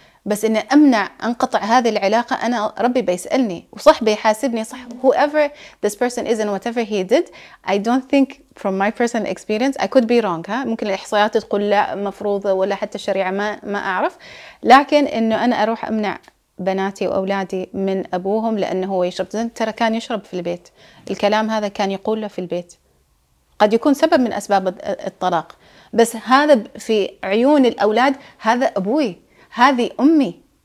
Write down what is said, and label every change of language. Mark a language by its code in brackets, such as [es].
[ar] بس إن أمنع أنقطع هذه العلاقة، أنا ربي بيسألني وصح بيحاسبني صح. [en] Whoever this person is and whatever he did, I don't think from my personal experience I could be wrong. [ar] ها ممكن الإحصائيات تقول لا مفروضة، ولا حتى الشريعة ما أعرف. لكن إنه أنا أروح أمنع بناتي وأولادي من أبوهم لأنه هو يشرب، ترى كان يشرب في البيت، الكلام هذا كان يقوله في البيت، قد يكون سبب من أسباب الطلاق، بس هذا في عيون الأولاد هذا أبوي هذه أمي.